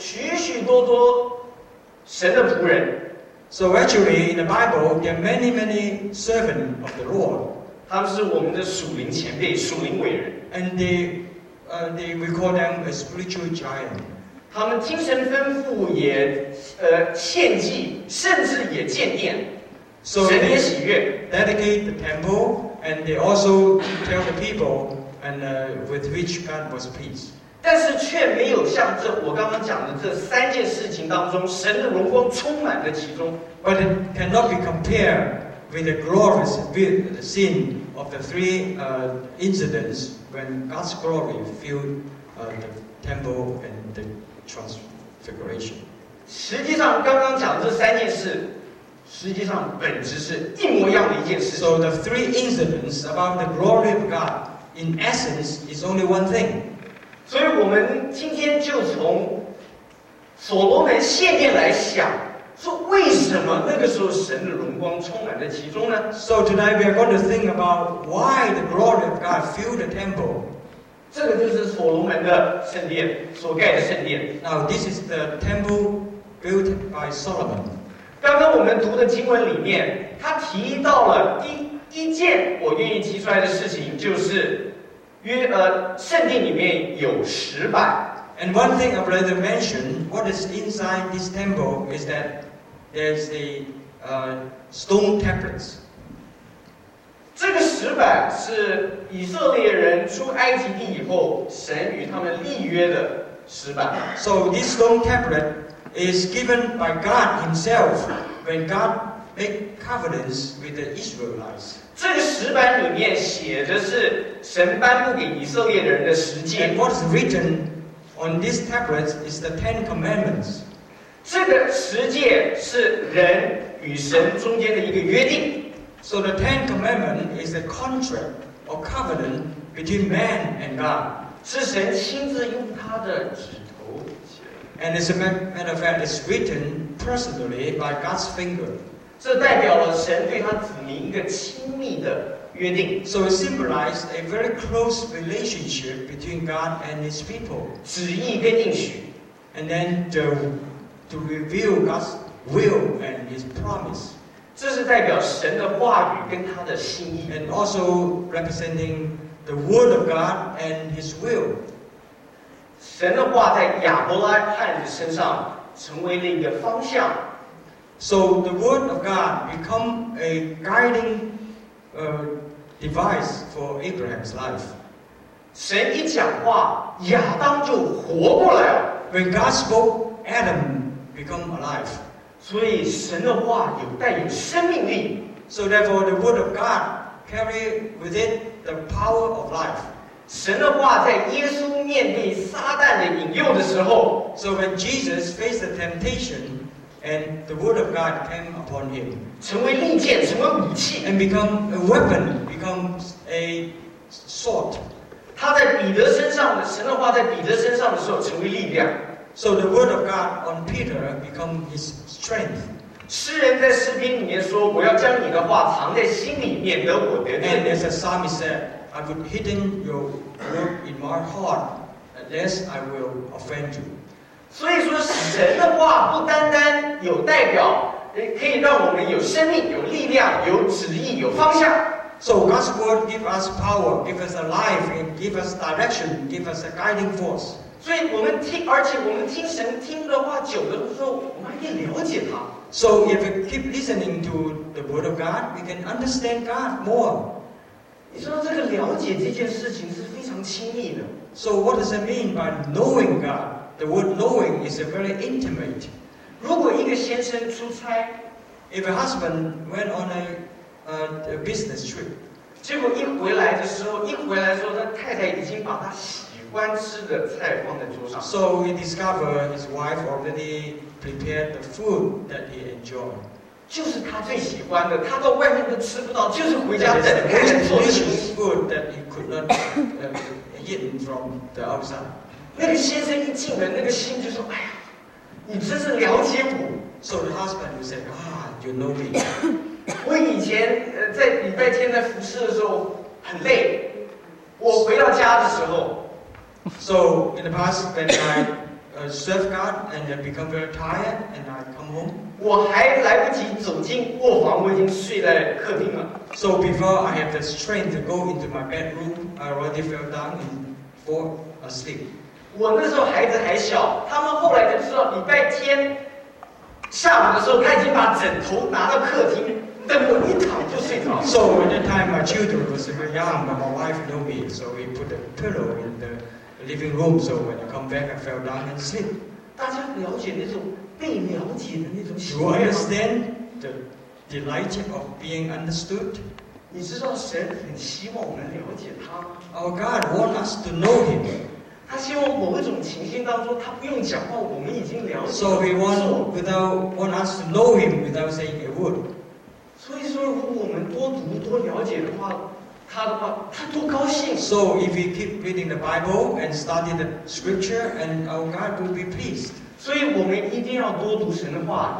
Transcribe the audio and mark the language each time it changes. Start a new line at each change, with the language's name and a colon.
Chinese: 实际上在圣经当中有许许多多神的仆人。
English: So actually, in the Bible, there are many, many servants of the Lord.
Chinese: 他们是我们的属灵前辈,属灵伟人。
English: And we call them a spiritual giant.
Chinese: 他们听神吩咐也献祭,甚至也建殿。
English: So they dedicate the temple, and they also tell the people and with which God was pleased.
Chinese: 但是却没有像这我刚刚讲的这三件事情当中神的荣光充满了其中。
English: But it cannot be compared with the glorious scene of the three incidents when God's glory filled the temple and the transfiguration.
Chinese: 实际上刚刚讲这三件事实际上本质是一模一样的一件事。
English: So the three incidents about the glory of God in essence is only one thing.
Chinese: 所以我们今天就从所罗门献殿来想，说为什么那个时候神的荣光充满了其中呢？
English: So tonight we are going to think about why the glory of God filled the temple.
Chinese: 这个就是所罗门的圣殿，所盖的圣殿。
English: Now this is the temple built by Solomon.
Chinese: 刚刚我们读的经文里面，他提到了一件我愿意提出来的事情，就是圣殿里面有石板。
English: And one thing I'd rather mention, what is inside this temple is that there's the stone tablets.
Chinese: 这个石板是以色列人出埃及地以后神与他们立约的石板。
English: So this stone tablet is given by God Himself when God made covenants with the Israelites.
Chinese: 这个石板里面写的是神颁布给以色列人的十诫。
English: And what's written on this tablet is the Ten Commandments.
Chinese: 这个十诫是人与神中间的一个约定。
English: So the Ten Commandments is a contract or covenant between man and God.
Chinese: 是神亲自用他的指头写。
English: And as a matter of fact, it's written personally by God's finger.
Chinese: 这代表了神对他子民一个亲密的约定。
English: So it symbolized a very close relationship between God and His people.
Chinese: 旨意跟应许。
English: And then to reveal God's will and His promise.
Chinese: 这是代表神的话语跟他的心意。
English: And also representing the word of God and His will.
Chinese: 神的话在亚伯拉罕的身上成为了一个方向。
English: So the word of God become a guiding device for Abraham's life.
Chinese: 神一讲话，亚当就活过来了。
English: When God spoke, Adam become alive.
Chinese: 所以神的话有带有生命力。
English: So therefore, the word of God carry with it the power of life.
Chinese: 神的话在耶稣面对撒旦的引诱的时候
English: ，So when Jesus faced the temptation. And the word of God came upon him,
Chinese: 成为利剑，成为武器
English: ，and become a weapon, becomes a sword.
Chinese: 他在彼得身上的神的话在彼得身上的时候成为力量。
English: So the word of God on Peter become his strength.
Chinese: 诗人在诗篇里面说：“我要将你的话藏在心里，免得我得罪。
English: ”And as the psalmist said, I would hidden your word in my heart, lest I will offend you.
Chinese: 所以说神的话不单单有代表可以让我们有生命有力量有旨意有方向
English: So God's word give us power give us a life and give us direction give us a guiding force
Chinese: 所以我们听而且我们听神听的话久了之后我们还可以了解他
English: So if we keep listening to the word of God we can understand God more
Chinese: 你说这个了解这件事情是非常亲密的
English: So what does it mean by knowing GodThe word knowing is a very intimate.
Chinese: 如果一个先生出差
English: If a husband went on a business trip,
Chinese: 结果一回来的时候，一回来的时候，他太太已经把他喜欢吃的菜放在桌上。
English: So he discovered his wife already prepared the food that he enjoyed.
Chinese: 就是他最喜欢的，他到外面都吃不到，就是回家在开始做的。
English: It's the most delicious food that he could not eat from the outside.
Chinese: 那个先生一进门，那个心就说：“哎呀，你真是了解我。”
English: So the husband would say, "Ah, you know me."
Chinese: 我以前在礼拜天在服侍的时候很累，我回到家的时候
English: ，So in the past when I serve God and I become very tired and I come home,
Chinese: 我还来不及走进卧房，我已经睡在客厅了。
English: So before I have the strength to go into my bedroom, I already fell down and fall asleep.
Chinese: 我那时候孩子还小，他们后来就知道礼拜天下午的时候，他已经把枕头拿到客厅，等我一躺就睡着。
English: So at that time my children was very young, but my wife knew me, so we put the pillow in the living room. So when I come back, I fell down and sleep.
Chinese: 大家了解那种被了解的那种喜悦吗？
English: Do you understand the delight of being understood?
Chinese: 你知道神很希望我们了解他吗？
English: Our God wants us to know Him.
Chinese: 他希望某一种情形当中，他不用讲话，我们已经了解。
English: So he want us to know him without saying a word.
Chinese: 所以说，如果我们多读多了解的话，他都高兴.
English: So if we keep reading the Bible and study the scripture, and our God will be pleased.
Chinese: 所以我们一定要多读神的话.